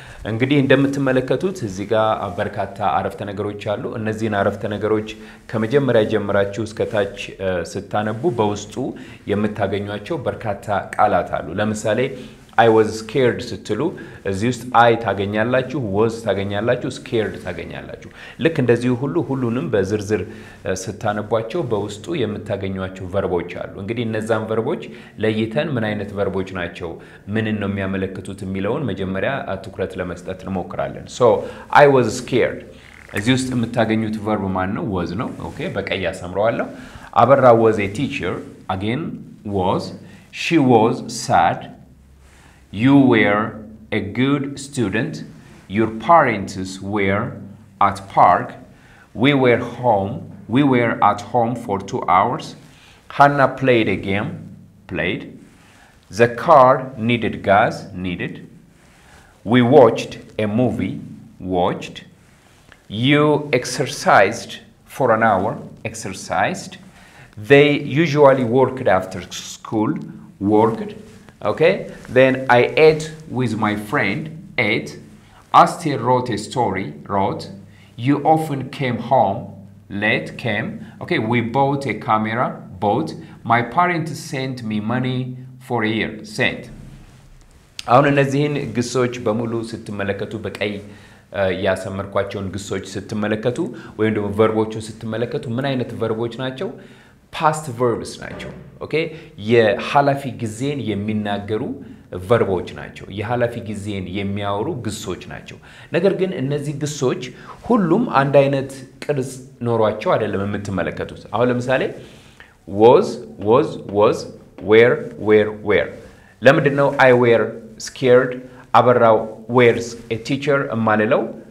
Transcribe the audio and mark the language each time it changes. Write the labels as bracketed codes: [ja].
[am] እንግዲህ እንደምትመለከቱት እዚህ ጋር በርካታ አረፍተ ነገሮች አሉ። እነዚህን አረፍተ ነገሮች ከመጀመሪያ ጀምራችሁ እስከ ታች ስታነቡ በውስጡ የምታገኙአቸው በርካታ ቃላት አሉ። ለምሳሌ [en] I was scared [am] ስትሉ እዚህ ውስጥ አይ ታገኛላችሁ፣ was ታገኛላችሁ፣ scared ታገኛላችሁ። ልክ እንደዚህ ሁሉንም በዝርዝር ስታነቧቸው በውስጡ የምታገኙአቸው ቨርቦች አሉ። እንግዲህ እነዛን ቨርቦች ለይተን ምን አይነት ቨርቦች ናቸው፣ ምን ነው የሚያመለክቱት የሚለውን መጀመሪያ ትኩረት ለመስጠት እንሞክራለን። [en] So I was scared [am] እዚህ ውስጥ የምታገኙት ቨርብ ማን ነው? [en] was [am] ነው። ኦኬ፣ በቀይ አሰምረዋለሁ። [en] አበራ was a teacher, again was, she was sad. You were a good student. Your parents were at park. We were home. We were at home for 2 hours. Hannah played a game. Played. The car needed gas. Needed. We watched a movie. Watched. You exercised for an hour. Exercised. They usually worked after school. Worked. Okay, then I ate with my friend, ate. Astier wrote a story, wrote. You often came home, late, came. Okay, we bought a camera, bought. My parents sent me money for a year, sent. [am] አሁን እነዚህን ግሶች በሙሉ ስትመለከቱ በቀይ ያሰመርኳቸውን ግሶች ስትመለከቱ ወይም ደግሞ ቨርቦቹን ስትመለከቱ ምን አይነት ቨርቦች ናቸው? Past verbs ናቸው። ኦኬ፣ የሐላፊ ጊዜን የሚናገሩ ቨርቦች ናቸው። የሐላፊ ጊዜን የሚያወሩ ግሶች ናቸው። ነገር ግን እነዚህ ግሶች ሁሉም አንድ አይነት ቅርጽ ኖሯቸው አይደለም የምትመለከቱት። አሁን ለምሳሌ was was was, were were were። ለምንድን ነው [en] I were scared [am] አበራ [en] wears a teacher [am] ማለለው?